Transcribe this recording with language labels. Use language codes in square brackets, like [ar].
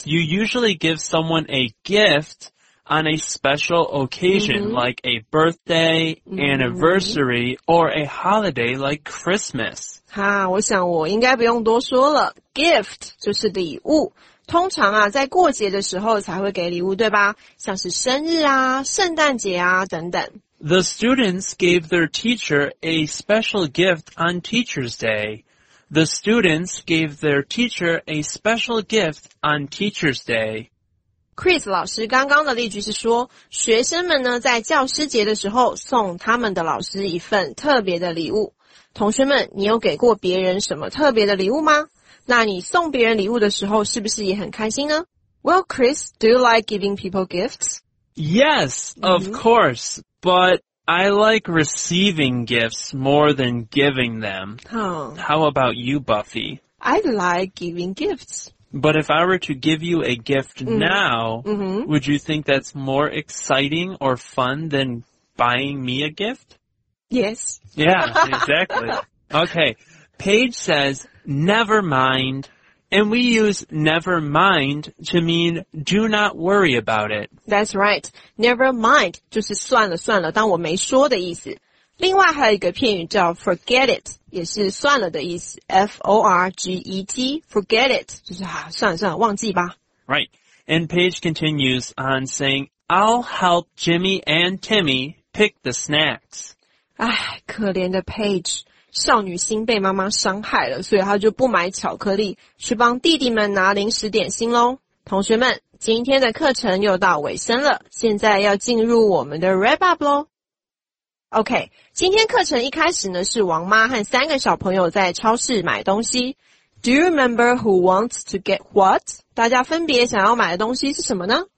[en] You usually give someone a gift on a special occasion,like a birthday, anniversary, or a holiday like Christmas. [zh] 哈，我想我应该不用多说了。 Gift 就是礼物。通常啊，在过节的时候才会给礼物，对吧？像是生日啊、圣诞节啊等等。 [en] The students gave their teacher a special gift on Teacher's Day. The students gave their teacher a special gift on Teacher's Day. [zh] Chris 老师刚刚的例句是说，学生们呢在教师节的时候送他们的老师一份特别的礼物。同学们，你有给过别人什么特别的礼物吗？那你送别人礼物的时候是不是也很开心呢？ [en] Well, Chris, do you like giving people gifts? Yes, of course, but I like receiving gifts more than giving them. How about you, Buffy? I like giving gifts. But if I were to give you a gift now, would you think that's more exciting or fun than buying me a gift? Yes. Yeah, exactly. Okay, Paige says... Never mind. And we use never mind to mean do not worry about it. That's right. Never mind [zh] 就是算了算了当我没说的意思。另外还有一个片语叫 [en] forget it, [zh] 也是算了的意思。 [en] F-O-R-G-E-T, forget it, [zh] 就是啊算了算了忘记吧。 [en] Right. And Paige continues on saying, I'll help Jimmy and Timmy pick the snacks. [zh] 唉可怜的 Paige。少女心被妈妈伤害了，所以她就不买巧克力，去帮弟弟们拿零食点心咯。同学们，今天的课程又到尾声了，现在要进入我们的 wrap up 咯。 OK, 今天课程一开始呢，是王妈和三个小朋友在超市买东西。 [en] Do you remember who wants to get what? [zh] 大家分别想要买的东西是什么呢？